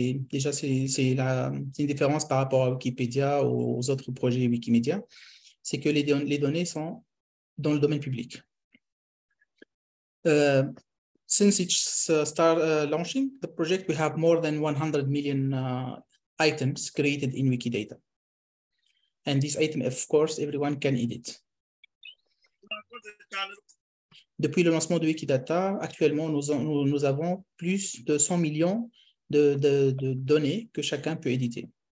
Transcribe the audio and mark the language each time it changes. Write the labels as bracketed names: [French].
[French] Déjà, c'est une différence par rapport à Wikipédia ou aux autres projets Wikimedia, c'est que les données sont dans le domaine public. [English] Since it's launching the project, we have more than 100 million items created in Wikidata. And this item, of course, everyone can edit. [French] Depuis le lancement de Wikidata, actuellement, nous avons plus de 100 millions de données que chacun peut éditer.